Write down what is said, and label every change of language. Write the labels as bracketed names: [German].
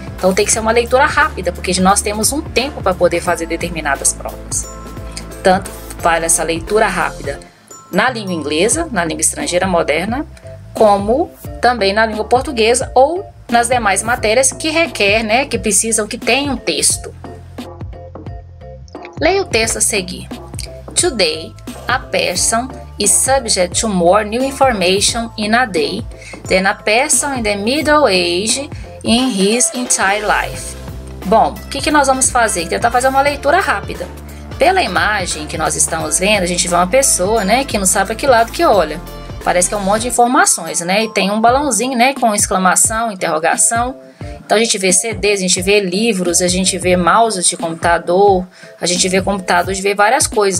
[Portuguese] Então tem que ser uma leitura rápida, porque nós temos um tempo para poder fazer determinadas provas. Tanto vale essa leitura rápida na língua inglesa, na língua estrangeira moderna, como também na língua portuguesa ou nas demais matérias que requer, né, que precisam que tenha um texto. Leia o texto a seguir. [English] Today, a person is subject to more new information in a day than a person in the middle age in his entire life. [Portuguese] Bom, o que que nós vamos fazer? Tentar fazer uma leitura rápida. Pela imagem que nós estamos vendo, a gente vê uma pessoa, né, que não sabe a que lado que olha. Parece que é um monte de informações, né? E tem um balãozinho, né? Com exclamação, interrogação. Então a gente vê CDs, a gente vê livros, a gente vê mouses de computador, a gente vê computador, a gente vê várias coisas.